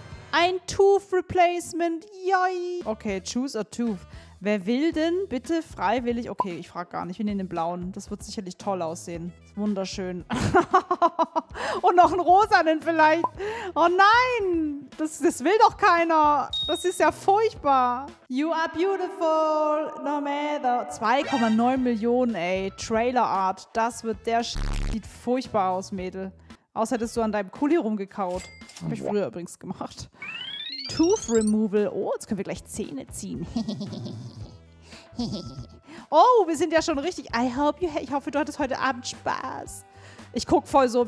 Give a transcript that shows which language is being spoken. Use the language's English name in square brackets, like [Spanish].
[English] Ein Tooth Replacement, yay. Okay, choose a tooth. [German] Wer will denn bitte freiwillig? Okay, ich frage gar nicht. Wir nehmen den blauen. Das wird sicherlich toll aussehen. Wunderschön. Und noch einen rosanen vielleicht. Oh nein, das will doch keiner. Das ist ja furchtbar. [English] You are beautiful, no matter. [German] 2,9 Millionen, ey. Trailer Art. Das wird der Sch... Sieht furchtbar aus, Mädel. Außer hättest du an deinem Kuli rumgekaut. Hab ich früher übrigens gemacht. Tooth Removal. Oh, jetzt können wir gleich Zähne ziehen. Oh, wir sind ja schon richtig. Ich hoffe, du hattest heute Abend Spaß. Ich guck voll so.